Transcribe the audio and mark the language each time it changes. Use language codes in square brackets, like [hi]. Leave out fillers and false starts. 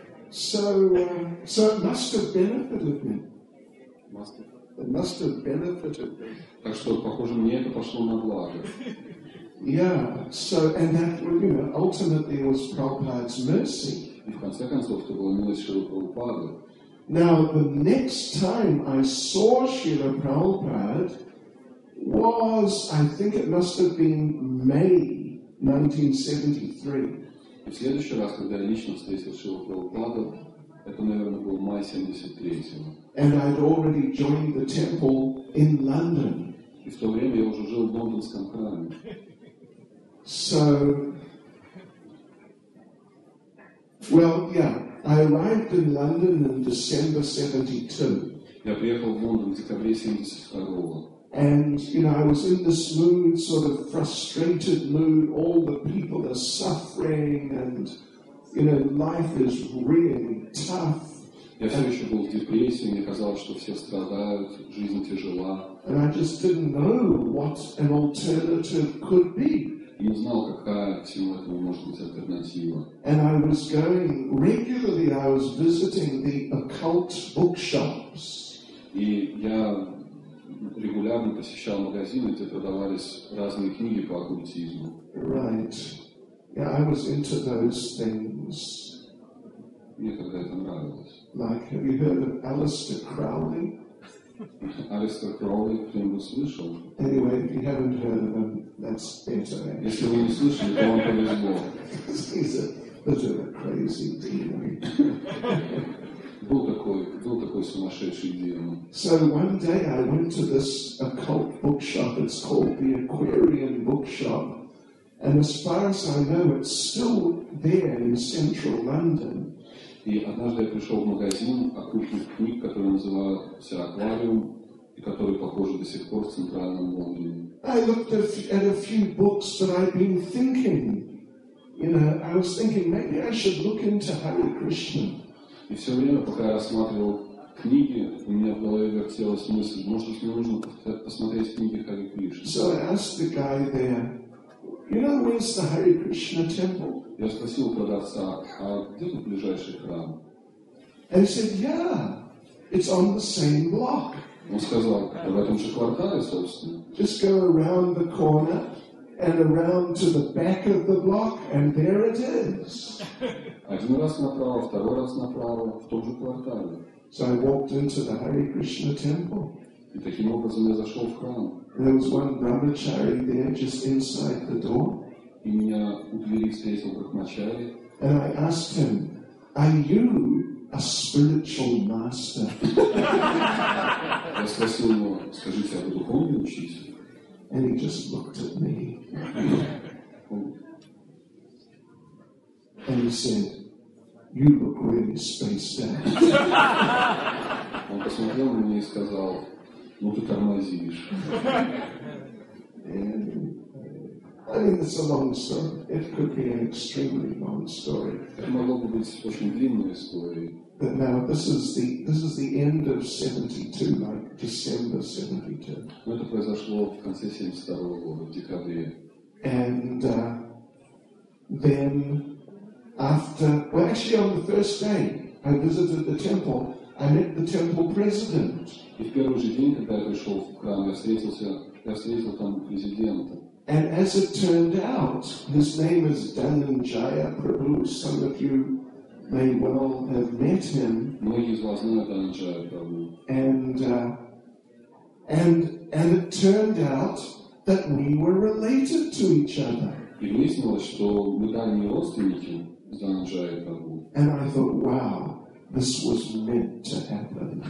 [en] So it must have benefited me. Must have. It must have benefited me. [ru] Так что, похоже, мне это пошло на благо. [en] Yeah, so, and that, you know, ultimately was Prabhupada's mercy. [ru] И в конце концов, это была милость Шрилы Прабхупады. [en] Now, the next time I saw Srila Prabhupada was, I think it must have been May 1973. [ru] И в следующий раз, когда я лично встретил Шрилу Прабхупаду, это, наверное, был май 73-го. [en] And I'd already joined the temple in London. [ru] И в то время я уже жил в лондонском храме. [en] So, well, yeah, I arrived in London in December 72. And, you know, I was in this mood, sort of frustrated mood, all the people are suffering, and, you know, life is really tough. [ru] Я все еще был в депрессии, мне казалось, что все страдают, жизнь тяжела. [en] And I just didn't know what an alternative could be. [ru] И не знал, какая всему этому может быть альтернатива. [en] And I was going regularly, I was visiting the occult bookshops. [ru] И я регулярно посещал магазины, где продавались разные книги по оккультизму. [en] Right. Yeah, I was into those things. [ru] Мне тогда это нравилось. [en] Like, have you heard of Aleister Crowley? [ru] Aleister Crowley, кто-нибудь слышал? [en] Anyway, if you haven't heard of him, that's better. [ru] Если вы не слышали, то вам повезло. [en] He's a bit of a crazy demon. [ru] Был такой сумасшедший демон. [en] So one day I went to this occult bookshop. It's called the Aquarian Bookshop. And as far as I know, it's still there in central London. [ru] И однажды я пришел в магазин оккультных книг, который назывался «Аквариум», и который, похоже, до сих пор в центральном Лондоне. [en] I looked at a few books, but I've been thinking, you know, I was thinking, maybe I should look into Hare Krishna. [ru] И все время, пока я рассматривал книги, у меня в голове вертелась мысль, может, мне нужно посмотреть книги Hare Krishna. [en] So I asked the guy there, you know, where's the Hare Krishna temple? [ru] Я спросил у продавца, а где тут ближайший храм? [en] And he said, yeah, it's on the same block. [ru] Он сказал, в этом же квартале, собственно. [en] Just go around the corner and around to the back of the block, and there it is. [ru] Один раз направо, второй раз направо, в том же квартале. [en] So I walked into the Hare Krishna temple. [ru] И таким образом я зашел в храм. [en] There was one brahmachari there just inside the door. [ru] И меня у двери встретил брахмачари. [en] And I asked him, are you a spiritual master? [ru] Я спросил его, скажите, а вы духовный учитель? [en] And he just looked at me. And he said, you look really spaced out. [ru] Он посмотрел на меня и сказал, ну ты тормозишь. [en] And I mean, it's a long story. It could be an extremely long story. [ru] Это могло бы быть очень длинной историей. [en] But now this is the end of 72, like December 72. [ru] Но это произошло в конце 72 года, в декабре. [en] And then after, well, actually, on the first day I visited the temple, I met the temple president. [ru] И в первый же день, когда я пришел в храм, я встретил там президента. [en] And as it turned out, his name is Dhananjaya Prabhu. Some of you may well have met him. [ru] Многие из вас знают Dhananjaya Prabhu. [en] And it turned out that we were related to each other. [ru] И выяснилось, что мы дальние родственники с Dhananjaya Prabhu. [en] And I thought, wow, this was meant to happen.